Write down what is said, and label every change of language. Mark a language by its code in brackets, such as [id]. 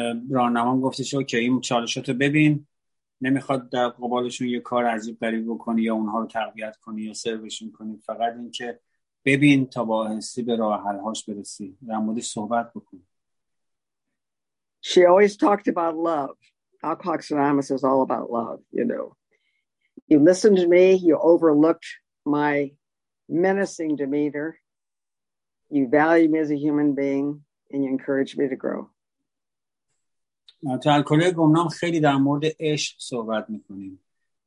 [fa] راهنمام گفتش اوکی این چالشات رو ببین. نمیخواد در قبالشون یه کار عجیب غریب بکنی یا اونها رو تقویت کنی یا سروشون کنی. فقط این که ببین تا با آهستگی به راه حل‌هاش برسی. در موردش صحبت بکن. [en] She always talked about love. Alcoholics Anonymous is all about love, you know. You listened to me, you overlooked my menacing demeanor, you value me as a human being, and you encourage me to grow. [fa] تو الکلی گمنام خیلی در مورد عشق صحبت میکنیم و